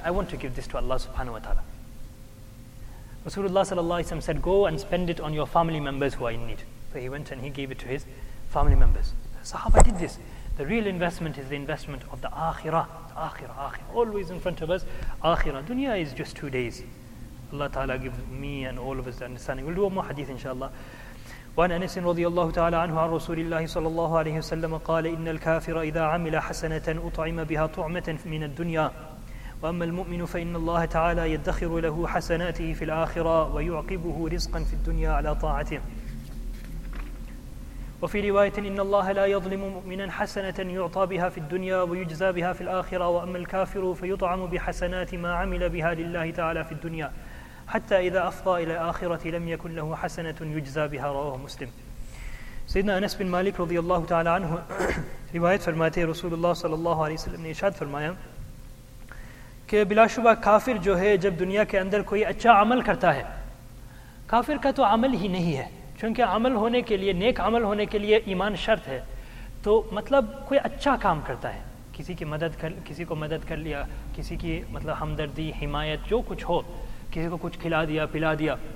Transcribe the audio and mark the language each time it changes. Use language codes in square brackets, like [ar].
[en] I want to give this to Allah subhanahu wa ta'ala. Rasulullah sallallahu alayhi wa sallam said, go and spend it on your family members who are in need. So he went and he gave it to his family members. Sahaba did this. The real investment is the investment of the Akhirah. Akhirah, Akhirah. Always in front of us, Akhirah. Dunya is just 2 days. Allah ta'ala gives me and all of us the understanding. We'll do one more hadith inshaAllah. [ar] وعن أنس رضي الله تعالى عنه عن رسول الله صلى الله عليه وسلم قال إن الكافر إذا عمل حسنة أطعم بها طعمة من الدنيا وأما المؤمن فإن الله تعالى يدخر له حسناته في الآخرة ويعقبه رزقا في الدنيا على طاعته. وفي رواية إن الله لا يظلم مؤمنا حسنة يعطى بها في الدنيا ويجزى بها في الآخرة وأما الكافر فيطعم بحسنات ما عمل بها لله تعالى في الدنيا حتى إذا أفضى إلى آخرة لم يكن له حسنة يجزى بها. رواه مسلم. [ur] سيدنا أنس بن مالك رضي الله تعالى عنه رواية فرماتے رسول الله صلى الله عليه وسلم نے ارشاد فرمایا کہ بلا شبہ کافر جو ہے جب دنیا کے اندر کوئی اچھا عمل کرتا ہے, کافر کا تو عمل ہی نہیں ہے, چونکہ عمل ہونے کے لیے, نیک عمل ہونے کے لیے ایمان شرط ہے, تو مطلب کوئی اچھا کام کرتا ہے, کسی کو مدد کر لیا, کسی کی مطلب ہمدردی, حمایت, جو کچھ ہو, کسی کو کچھ کھلا دیا, پلا دیا.